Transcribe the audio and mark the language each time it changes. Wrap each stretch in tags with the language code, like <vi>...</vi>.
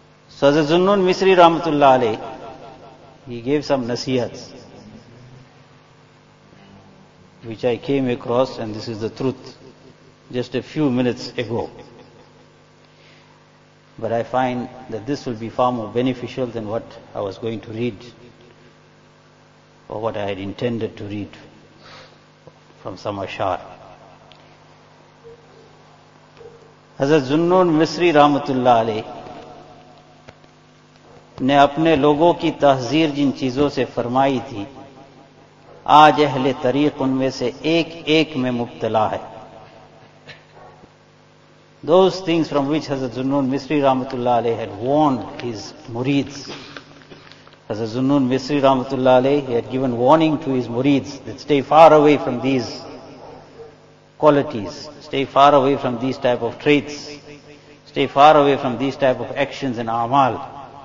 <en>So Hazrat Zunnoon Misri Rahmatullah Alayh, he gave some nasihats, which I came across, and this is the truth, just a few minutes ago. But I find that this will be far more beneficial than what I was going to read, or what I had intended to read from some ashar.</en> <ur>Hazrat Zunnoon Misri Rahmatullah Alayh نے اپنے لوگوں کی تحذیر جن چیزوں سے فرمائی تھی آج اہل طریق ان میں سے ایک ایک میں مبتلا ہے.</ur> <en>Those things from which Hazrat Zunnoon Misri Rahmatullah Alayh had warned his murids. Hazrat Zunnoon Misri Rahmatullah Alayh, he had given warning to his murids that stay far away from these qualities, stay far away from these type of traits, stay far away from these type of actions and amal.</en>